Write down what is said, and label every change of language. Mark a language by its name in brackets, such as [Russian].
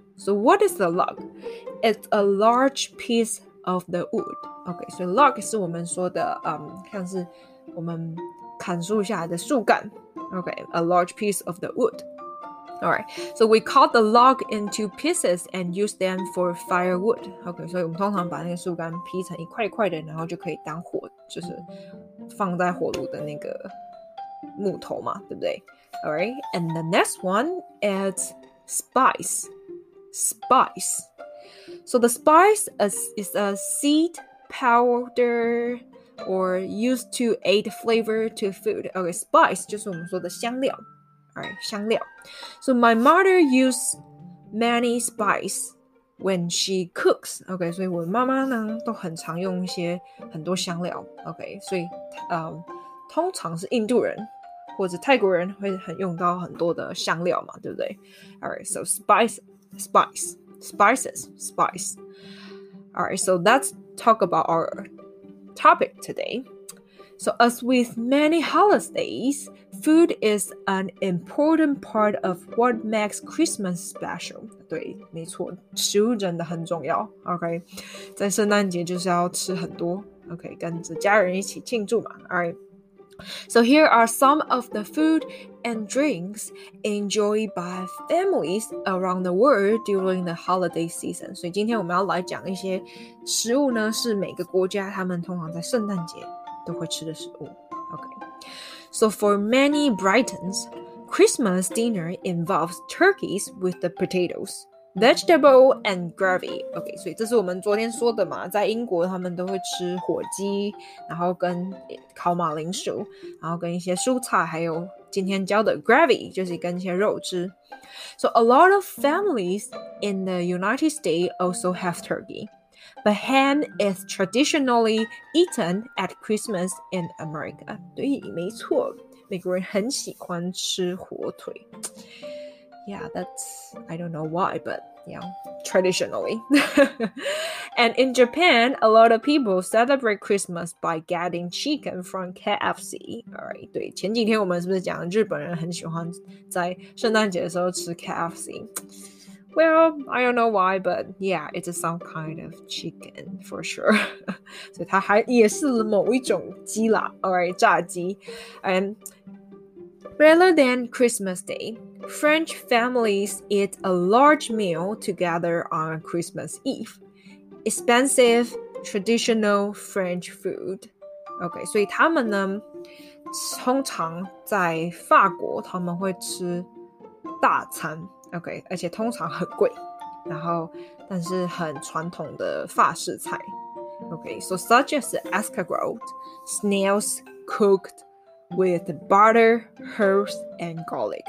[English] So what is the log? It's a large piece of the wood. [Chinese] Okay, so log 是我们说的，像是我们砍树下来的树干。 [English] Okay, a large piece of the wood. Alright, so we cut the log into pieces and use them for firewood. [Chinese] Okay, so 我们通常把那个树干劈成一块一块的，然后就可以当火，就是放在火炉的那个木头嘛，对不对？ [English] Alright, and the next one is spice. Spice. So the spice is a seed powder or used to add flavor to food. [Chinese] Okay, spice 就是我们说的香料。Alright, 香料. [English] So my mother used many spice when she cooks. [Chinese] Okay, 所以我妈妈呢都很常用一些很多香料. Okay, 所以通常是印度人或者泰国人会很用到很多的香料嘛，对不对？ [English] Alright, so spice. Alright, so let's talk about our topic today. So as with many holidays, food is an important part of what makes Christmas special. [Chinese] 对，没错，食物真的很重要。 Okay, 在圣诞节就是要吃很多。Okay, 跟着家人一起庆祝嘛。All right. [English] So here are some of the food and drinks enjoyed by families around the world during the holiday season. [Chinese] 所以今天我们要来讲一些食物呢，是每个国家他们通常在圣诞节。都会吃的食物 Okay. [English] So for many Britons, Christmas dinner involves turkeys with the potatoes. vegetable and gravy. [Chinese] OK, 所以这是我们昨天说的嘛，在英国他们都会吃火鸡，然后跟烤马铃薯，然后跟一些蔬菜，还有今天教的 gravy 就是跟一些肉汁。 [English] So a lot of families in the United States also have turkey, but ham is traditionally eaten at Christmas in America. [Chinese] 对，没错，美国人很喜欢吃火腿。 [English] Yeah, that's, I don't know why, but yeah, traditionally. And in Japan, a lot of people celebrate Christmas by getting chicken from KFC. [Chinese] All right, 对，前几天我们是不是讲日本人很喜欢在圣诞节的时候吃 KFC? [English] Well, I don't know why, but yeah, it's some kind of chicken for sure. [Chinese] 所以它还也是某一种鸡啦。All right, 炸鸡。 [English] And rather than Christmas Day,French families eat a large meal together on Christmas Eve. Expensive, traditional French food. [Chinese] OK, 所以他们呢，通常在法国他们会吃大餐。 OK, 而且通常很贵，然后但是很传统的法式菜。 [English] OK, so such as escargot, snails cookedWith butter, herbs, and garlic.